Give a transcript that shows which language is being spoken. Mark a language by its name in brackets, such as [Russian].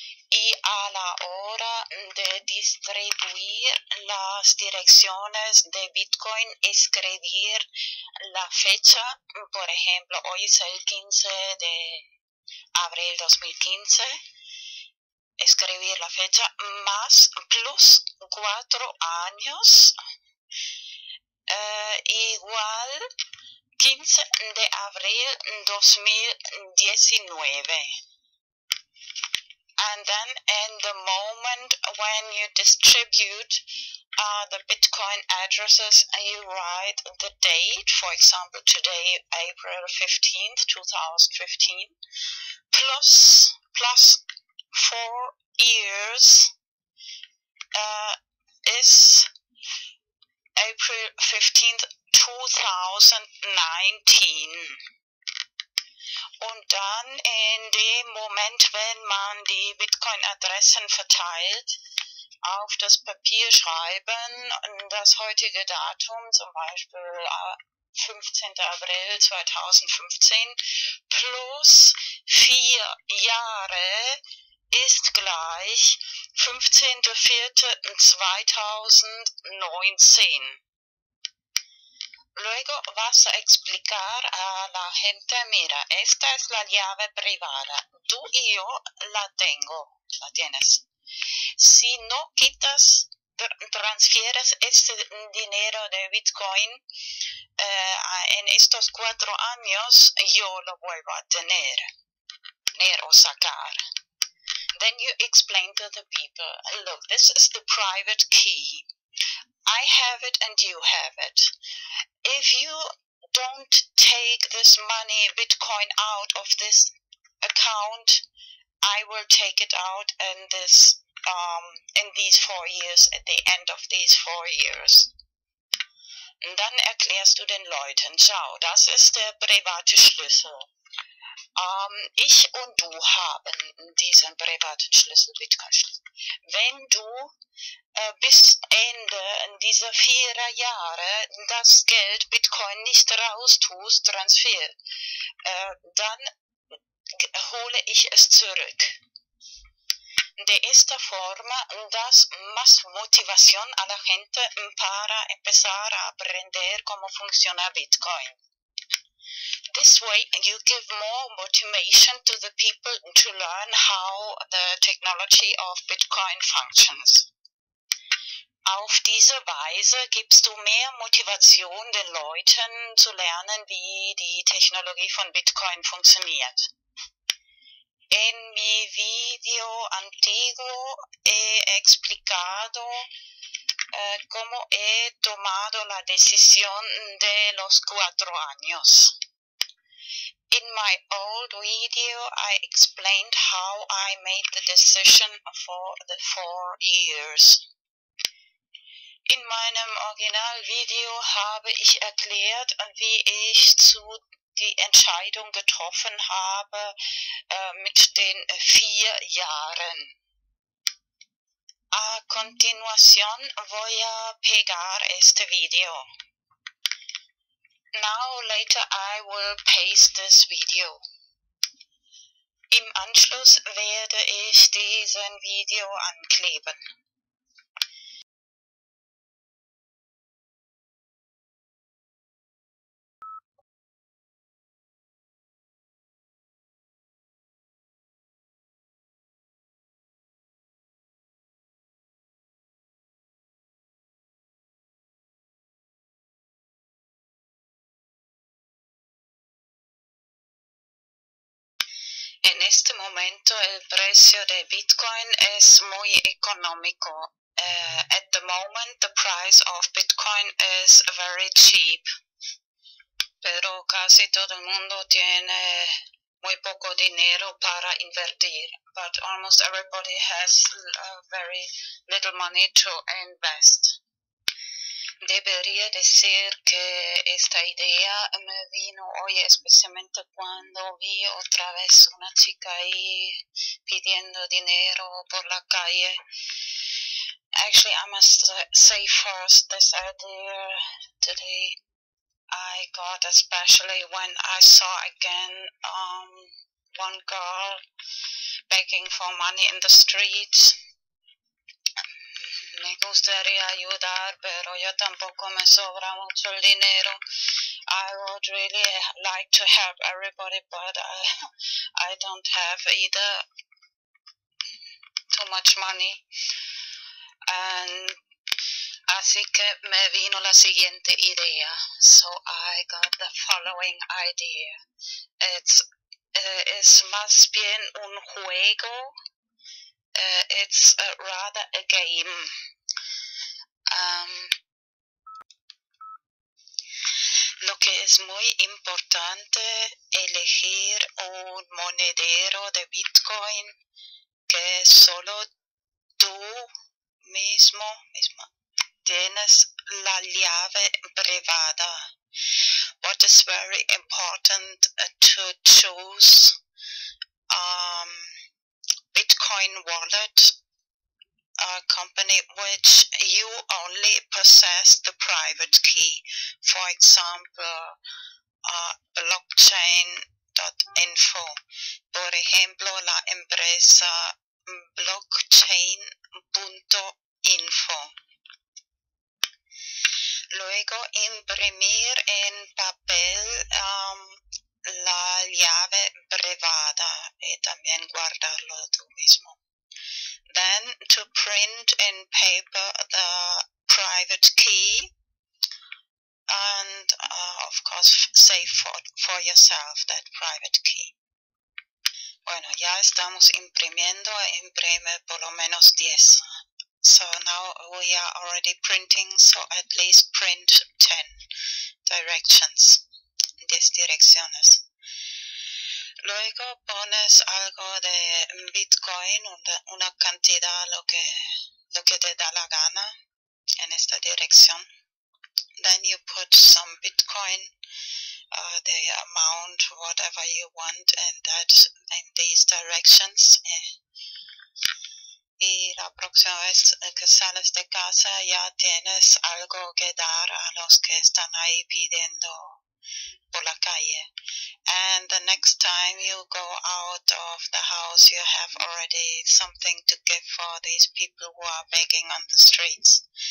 [Spanish] Y a la hora de distribuir las direcciones de Bitcoin, escribir la fecha, por ejemplo, hoy es el 15 de abril 2015, escribir la fecha más plus 4 años, igual 15 de abril 2019. [English] And then in the moment when you distribute the Bitcoin addresses, you write the date, for example today April 15th 2015, plus 4 years is April 15th, 2019. [German] Und dann in dem Moment, wenn man die Bitcoin-Adressen verteilt, auf das Papier schreiben, das heutige Datum, zum Beispiel 15. April 2015, plus 4 Jahre ist gleich 15.04.2019. [Spanish] Luego vas a explicar a la gente, mira, esta es la llave privada. Tú y yo la tengo, la tienes. Si no quitas, transfieres este dinero de Bitcoin, en estos 4 años, yo lo vuelvo a tener o sacar. [English] Then you explain to the people, look, this is the private key. I have it and you have it. If you don't take this money, Bitcoin, out of this account, I will take it out in this, in these 4 years, at the end of these 4 years. [German] Und dann erklärst du den Leuten, schau, das ist der private Schlüssel. Ich und du haben diesen privaten Schlüssel, Bitcoin-Schlüssel. Wenn du bis Ende dieser 4 Jahre das Geld Bitcoin nicht raus tust, Transfer, dann hole ich es zurück. [Spanish] De esta forma das más motivación a la gente para empezar a aprender cómo funciona Bitcoin. De [English] this way, you give more motivation to the people to learn how the technology of Bitcoin functions. [German] Auf diese Weise gibst du mehr Motivation den Leuten zu lernen, wie die Technologie von Bitcoin funktioniert. [Spanish] En mi video antiguo he explicado cómo he tomado la decisión de los 4 años. [English] In my old video, I explained how I made the decision for the 4 years. [German] In meinem Originalvideo habe ich erklärt, wie ich zu die Entscheidung getroffen habe mit den 4 Jahren. [Spanish] A continuación voy a pegar este video. [English] Now later I will paste this video. [German] Im Anschluss werde ich diesen Video ankleben. [Spanish] En este momento el precio de Bitcoin es muy económico. [English] At the moment the price of Bitcoin is very cheap. [Spanish] Pero casi todo el mundo tiene muy poco dinero para invertir. [English] But almost everybody has very little money to invest. [Spanish] Debería decir que esta idea me vino hoy especialmente cuando vi otra vez una chica ahí pidiendo dinero por la calle. [English] Actually, I must say first this idea today I got especially when I saw again one girl begging for money in the streets. [Spanish] Me gustaría ayudar, pero yo tampoco me sobra mucho el dinero. [English] I would really like to help everybody, but I don't have either too much money. And [Spanish] así que me vino la siguiente idea. [English] So I got the following idea. It's [Spanish] más bien un juego. [English] It's rather a game. [Spanish] Lo que es muy importante elegir un monedero de Bitcoin que solo tú mismo tienes la llave privada. [English] What is very important to choose Bitcoin wallet, a company which you only possess the private key. For example, blockchain.info. [Spanish] Por ejemplo, la empresa blockchain.info. Luego, imprimir en papel la llave privada y también guardarlo tú mismo. [English] Then to print in paper the private key and of course save for yourself that private key. [Spanish] Bueno, ya estamos imprimiendo, imprime por lo menos 10. [English] So now we are already printing, so at least print 10 directions, [Spanish] 10 direcciones. Luego pones algo de Bitcoin, una cantidad, lo que te da la gana en esta dirección. [English] Then you put some Bitcoin, the amount, whatever you want, and that in these directions. [Spanish] Y la próxima vez que sales de casa ya tienes algo que dar a los que están ahí pidiendo por la calle. [English] And the next time you go out of the house, you have already something to give for these people who are begging on the streets.